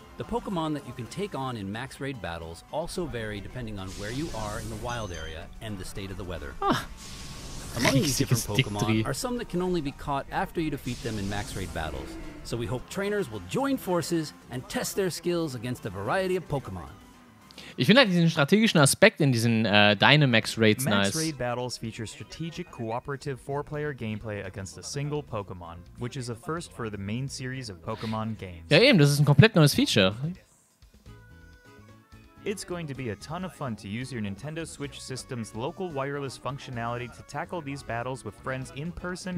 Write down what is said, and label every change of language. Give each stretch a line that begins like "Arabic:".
English: The Pokémon that you can take on in Max Raid Battles also vary depending on where you are in the wild area and the state of the weather. Ah. Among these different Pokémon are some that can only be caught after you defeat them in Max Raid Battles. So we hope trainers will join forces and test their skills against a variety of Pokémon.
German: Ich finde halt diesen strategischen Aspekt in diesen Dynamax Raids nice.
English: Max Raid Battles feature strategic cooperative four-player gameplay against a single Pokémon, which is a first for the main series of Pokémon games.
German: Ja eben, das ist ein komplett neues Feature.
English: It's going to be a ton of fun to use your Nintendo Switch system's local wireless functionality to tackle these battles with friends in person.